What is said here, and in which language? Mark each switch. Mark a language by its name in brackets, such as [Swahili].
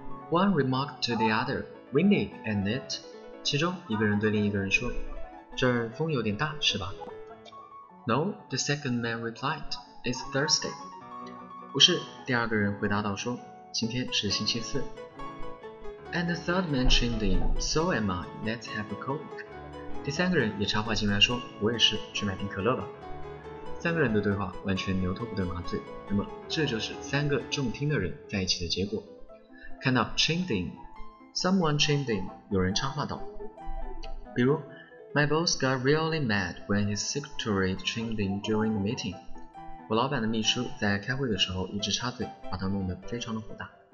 [English] One remarked to the other, "Windy and it." [Chinese] 其中一个人对另一个人说，这儿风有点大，是吧？ [English] No, the second man replied, "It's Thursday." [Chinese] 不是，第二个人回答道说，今天是星期四。 [English] And the third man chimed in, "So am I, let's have a Coke." [Chinese] 第三个人也插话进来说，我也是，去买瓶可乐吧。三个人的对话完全牛头不对马嘴，那么这就是三个重听的人在一起的结果。看到 [English] chimed in, someone chimed in, [Chinese] 有人插话道。比如 [English] My boss got really mad when his secretary chimed in during the meeting. [Chinese] 我老板的秘书在开会的时候一直插嘴，把他弄得非常的火大。